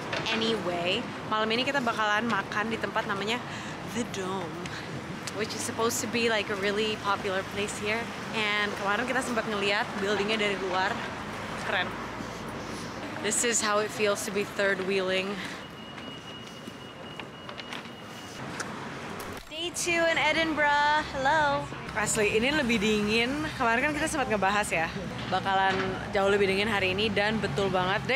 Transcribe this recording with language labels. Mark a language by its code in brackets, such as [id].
[id] Anyway, malam ini kita bakalan makan di tempat namanya The Dome, [en] which is supposed to be like a really popular place here. [id] And kemarin kita sempat ngeliat buildingnya dari luar. Keren. [en] This is how it feels to be third wheeling. Day 2 in Edinburgh. Hello. [id] Asli, ini lebih dingin. Kemarin kan kita sempat ngebahas ya, bakalan jauh lebih dingin hari ini. Dan betul banget.